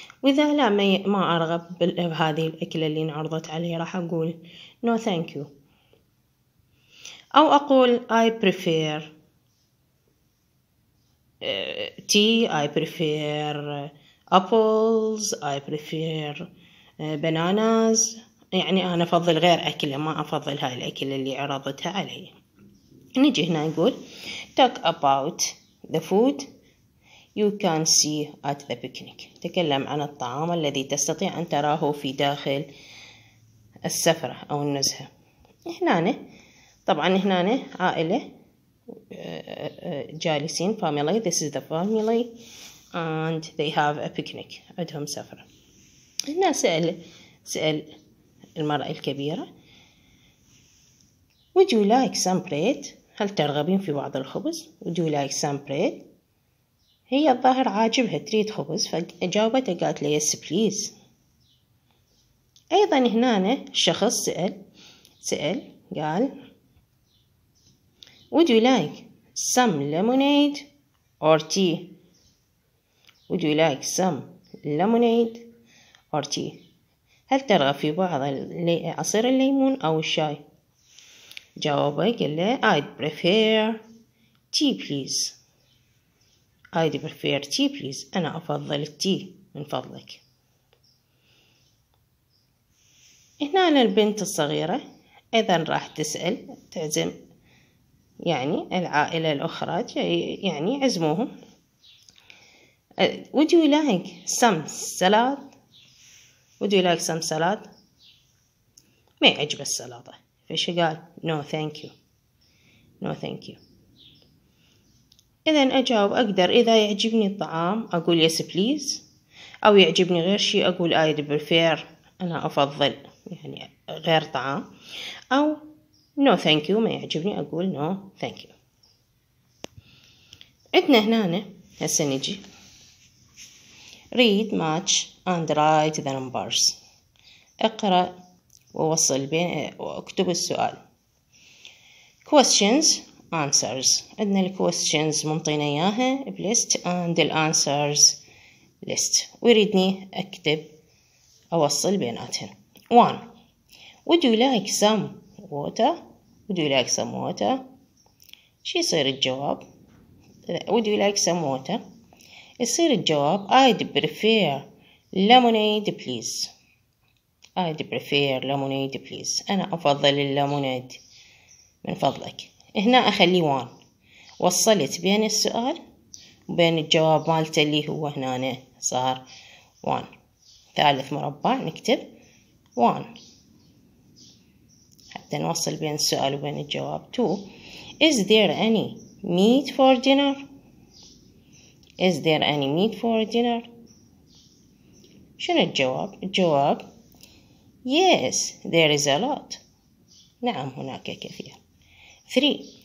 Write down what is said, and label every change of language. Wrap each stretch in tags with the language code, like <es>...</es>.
<ar>وإذا لا ما أرغب بهذه الأكلة اللي انعرضت علي راح أقول</ar> <en>no thank you،</en> <ar>أو أقول</ar> <en>I prefer tea، I prefer apples، I prefer bananas،</en> <ar>يعني أنا أفضل غير أكلة، ما أفضل هاي الأكلة اللي عرضتها علي. نجي هنا نقول</ar> <en>talk about the food you can see at the picnic،</en> <ar>تكلم عن الطعام الذي تستطيع أن تراه في داخل السفرة أو النزهة. هنا طبعا هنا عائلة جالسين</ar> <en>family، this is the family and they have a picnic،</en> <ar>عندهم سفرة. هنا سأل المرأة الكبيرة</ar> <en>would you like some bread،</en> <ar>هل ترغبين في بعض الخبز؟</ar> <en>Would you like some bread؟</en> <ar>هي الظاهر عاجبها تريد خبز فجاوبتها قالت لي</ar> <en>yes please.</en> <ar>أيضا هنا الشخص سأل قال</ar> <en>Would you like some lemonade or tea؟ Would you like some lemonade or tea؟</en> <ar>هل ترغب في بعض عصير الليمون أو الشاي؟ جاوبه قال له</ar> <en>I'd prefer tea please. I'd prefer tea please.</en> <ar>أنا أفضل التي من فضلك. هنا البنت الصغيرة أيضا راح تسأل تعزم يعني العائلة الأخرى يعني عزموهم.</ar> <en>Would you like some salad؟ Would you like some salad؟</en> <ar>ما يعجب السلطة. فش قال</ar> <en>no thank you.</en> <ar>إذن أجاوب أقدر إذا يعجبني الطعام أقول</ar> <en>yes please،</en> <ar>أو يعجبني غير شيء أقول</ar> <en>I'd prefer،</en> <ar>أنا أفضل يعني غير طعام، أو</ar> <en>no thank you</en> <ar>ما يعجبني أقول no thank you. عدنا هنا هسه نجي</ar> <en>read match and write the numbers،</en> <ar>اقرأ ووصل بين واكتب السؤال.</ar> <en>questions answers،</en> <ar>عندنا ال questions ممطينا اياها بليست</ar> <en>and the answers list،</en> <ar>ويريدني اكتب اوصل بيناتهم.</ar> <en>1 would you like some water؟ would you like some water؟</en> <ar>شو يصير الجواب؟</ar> <en>would you like some water؟</en> <ar>يصير الجواب</ar> <en>I'd prefer lemonade please. I'd prefer lemonade please.</en> <ar>أنا أفضل الليمونيد من فضلك. هنا أخلي وان، وصلت بين السؤال وبين الجواب مالته اللي هو هنا صار وان. ثالث مربع نكتب وان حتى نوصل بين السؤال وبين الجواب.</ar> <en>تو Is there any meat for dinner؟ Is there any meat for dinner؟</en> <ar>شنو الجواب؟ الجواب</ar> <en>Yes, there is a lot.</en> <ar>نعم هناك كثير. 3.</ar>